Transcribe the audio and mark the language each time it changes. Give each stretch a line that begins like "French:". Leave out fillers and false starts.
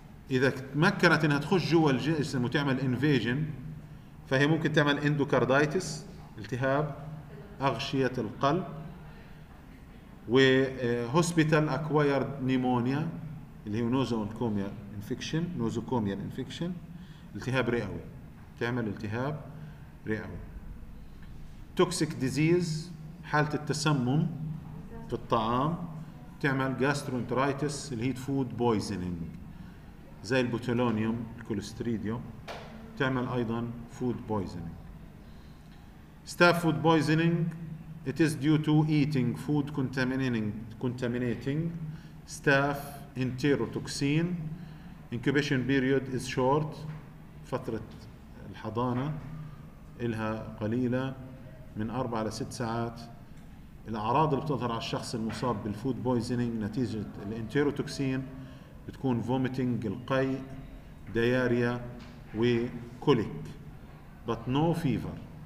Arabic: إذا تمكنت أنها تخش جوا الجسم وتعمل invasion، فهي ممكن تعمل endocarditis التهاب أغشية القلب، و
English: hospital acquired pneumonia
Arabic: اللي هي nosocomial infection، nosocomial infection التهاب رئوي، تعمل التهاب رئوي. toxic disease حالة التسمم في الطعام، تعمل gastroenteritis اللي هي food poisoning زي البوتولونيوم الكولستريديوم، تعمل ايضا food poisoning.
English: staff food poisoning it is due to eating food contaminating staff enterotoxin. incubation period is short،
Arabic: فترة الحضانة إلها قليلة من 4 إلى 6 ساعات. الأعراض اللي بتظهر على الشخص المصاب بالfood poisoning نتيجة الانتيروتوكسين بتكون vomiting القيء دياريا وكوليك،
English: but no fever.